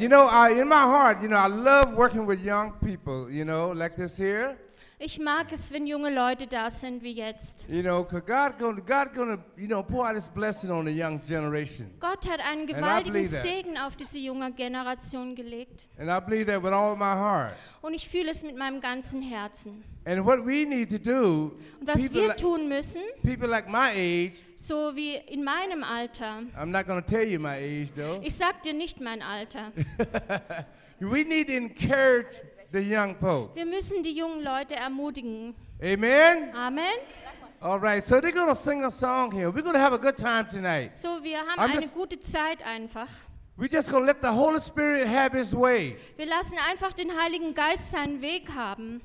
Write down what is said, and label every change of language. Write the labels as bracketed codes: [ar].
[en] You know, in my heart, you know, I love working with young people, you know, like this here. [de] Ich mag es, wenn junge Leute da sind wie jetzt. [en] You know, God gonna, you know, pour out his blessing on the young generation. [de] Gott hat einen gewaltigen Segen auf diese junge Generation gelegt. [en] And I believe that with all my heart. [de] Und ich fühle es mit meinem ganzen Herzen. [en] And what we need to do, [de] und was wir tun müssen, [en] people like my age, [de] so wie in meinem Alter. [en] I'm not gonna tell you my age, though. [de] Ich sag dir nicht mein Alter. [en] We need to encourage the young folks. [de] Wir müssen die jungen Leute ermutigen. [en] Amen. [de] Amen. [en] All right, so they're going to sing a song here. We're going to have a good time tonight. [de] So wir haben I'm eine just, gute Zeit einfach. [en] We're just going to let the Holy Spirit have his way. [de] Wir lassen einfach den Heiligen Geist seinen Weg haben.